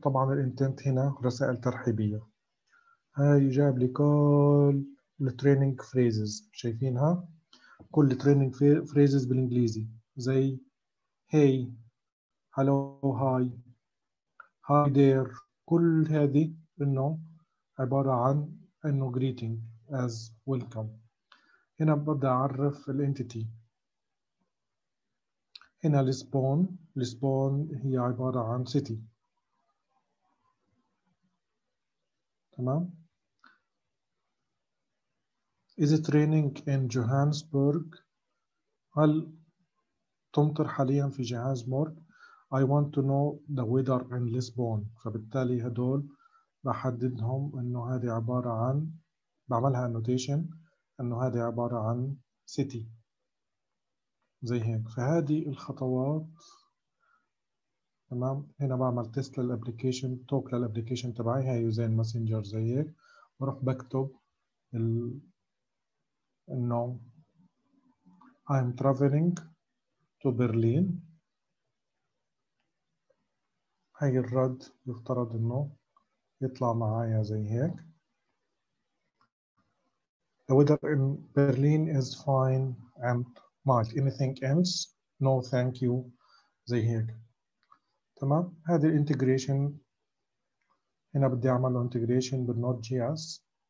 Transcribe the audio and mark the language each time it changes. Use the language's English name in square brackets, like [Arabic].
[Arabic] طبعا الانتنت هنا رسائل ترحيبية، هاي جاب لي كل التريننج فريزز، شايفينها كل التريننج فريزز بالانجليزي، زي هاي هلو هاي هاي دير، كل هذه انه عبارة عن انه [English] greeting as welcome. [Arabic] هنا ببدأ اعرف الانتيتي، هنا لسبون، لسبون هي عبارة عن city، تمام. [English] Is it raining in Johannesburg؟ [Arabic] هل تمطر حاليا في جوهانسبرغ؟ [English] I want to know the weather in Lisbon. [Arabic] فبالتالي هدول بحددهم انه هذه عبارة عن، بعملها annotation انه هذه عبارة عن city، زي هيك. فهذه الخطوات، تمام. هنا بعمل تيست للابليكيشن، توك للابليكيشن تبعي، هي يوزين ماسنجر زي هيك، بروح بكتب انه [English] I'm traveling to Berlin. [Arabic] هاي الرد يفترض انه يطلع معايا زي هيك. [English] The weather in Berlin is fine and mild. Anything else? No, thank you. [Arabic] زي هيك. تمام؟ هذه الانتجريشن، هنا بدي اعمل انتجريشن بالنوت جي اس.